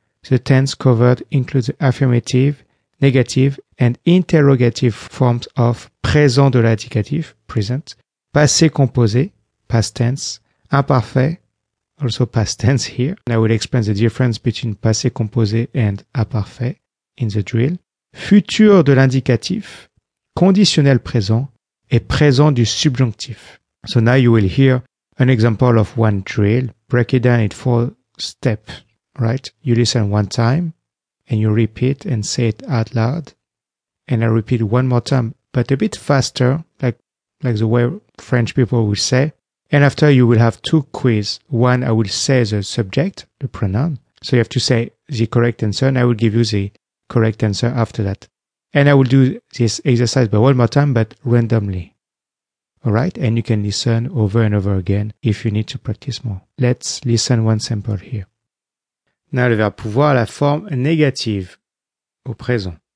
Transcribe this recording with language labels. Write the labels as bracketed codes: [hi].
[en] The tense covered includes the affirmative, negative, and interrogative forms of présent de l'indicatif, present, passé composé, past tense, imparfait, also past tense here. I will explain the difference between passé composé and imparfait in the drill. [fr] Futur de l'indicatif, conditionnel présent, et présent du subjonctif. [en] So now you will hear an example of one drill. Break it down in 4 steps. Right, you listen one time and you repeat and say it out loud, and I repeat one more time but a bit faster, like the way French people will say. And after, you will have 2 quiz. One, I will say the subject, the pronoun, so you have to say the correct answer, and I will give you the correct answer after that. And I will do this exercise but one more time, but randomly. All right, and you can listen over and over again if you need to practice more. Let's listen one sample here. [fr] Now, le verbe pouvoir a la forme négative au présent.